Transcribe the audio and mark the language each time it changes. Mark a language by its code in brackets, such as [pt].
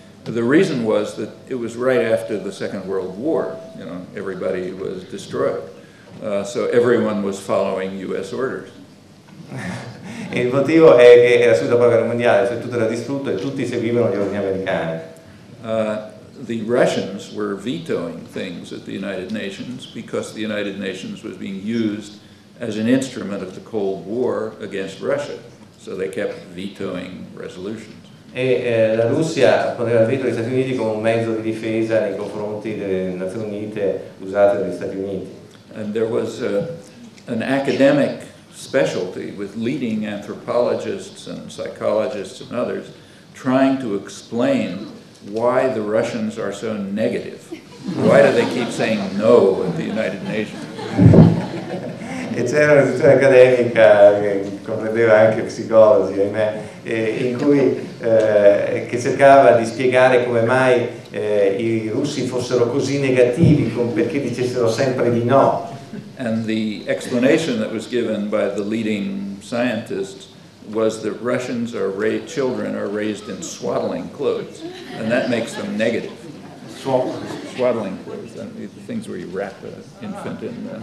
[en] The reason was that it was right after the Second World War, you know, everybody was destroyed. So everyone was following US orders. [it] Il motivo è che era subito dopo la guerra mondiale, cioè tutto era distrutto e tutti seguivano gli ordini americani. [en] The Russians were vetoing things at the United Nations because the United Nations was being used as an instrument of the Cold War against Russia. So they kept vetoing resolutions. [it] E la Russia poneva il veto agli Stati Uniti come un mezzo di difesa nei confronti delle Nazioni Unite usate dagli Stati Uniti. [en] And there was an academic specialty with leading anthropologists and psychologists and others trying to explain why the Russians are so negative. Why do they keep saying no at the United Nations? [it] E c'era una situazione accademica che comprendeva anche psicologi, ahimè, in cui che cercava di spiegare come mai i russi fossero così negativi, perché dicessero sempre di no. [en] And the explanation that was given by the leading scientists was that Russians are children are raised in swaddling clothes, and that makes them negative. Swaddling clothes, things where you wrap an infant in.